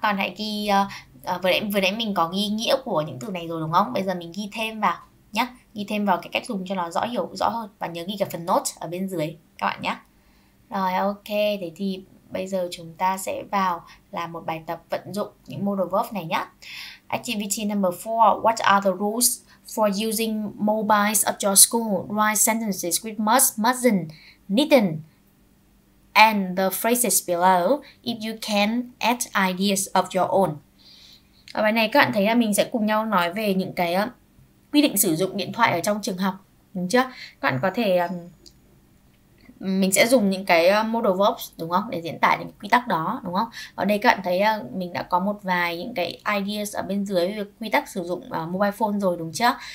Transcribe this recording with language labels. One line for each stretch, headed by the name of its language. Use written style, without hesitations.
Vietnamese: Còn hãy ghi vừa nãy mình có ghi nghĩa của những từ này rồi đúng không? Bây giờ mình ghi thêm vào nhá. Ghi thêm vào cái cách dùng cho nó rõ hiểu rõ hơn và nhớ ghi cả phần note ở bên dưới các bạn nhá. Rồi, ok. Thế thì bây giờ chúng ta sẽ vào làm một bài tập vận dụng những modal verb này nhá.
English: Activity number 4, what are the rules for using mobiles at your school? Write sentences with must, mustn't, needn't and the phrases below if you can add ideas of your own.
Vietnamese: Ở bài này các bạn thấy là mình sẽ cùng nhau nói về những cái quy định sử dụng điện thoại ở trong trường học, đúng chưa? Các bạn có thể mình sẽ dùng những cái modal verbs, đúng không? Để diễn tả những quy tắc đó, đúng không? Ở đây các bạn thấy mình đã có một vài những cái ideas ở bên dưới về quy tắc sử dụng mobile phone rồi, đúng chưa?